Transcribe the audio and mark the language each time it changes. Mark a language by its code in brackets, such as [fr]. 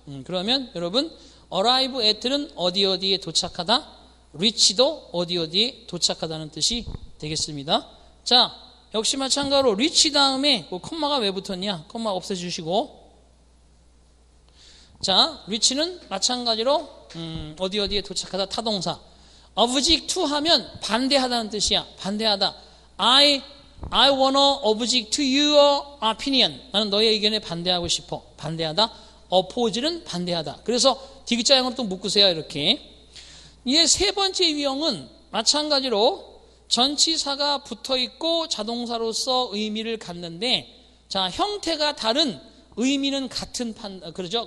[ko] 그러면 여러분 arrive at는 어디 어디에 도착하다, reach도 어디 어디에 도착하다는 뜻이 되겠습니다. 자, 역시 마찬가지로 reach 다음에 그 콤마가 왜 붙었냐? 콤마 없애 주시고. 자, reach는 마찬가지로 어디 어디에 도착하다 타동사. object to 하면 반대하다는 뜻이야. 반대하다. [en] I wanna object to your opinion. [ko] 나는 너의 의견에 반대하고 싶어. 반대하다. oppose는 반대하다. 그래서 디귿자형으로 또 묶으세요. 이렇게. 이제 세 번째 유형은 마찬가지로 전치사가 붙어있고 자동사로서 의미를 갖는데, 자, 형태가 다른 의미는 같은 판, 그러죠?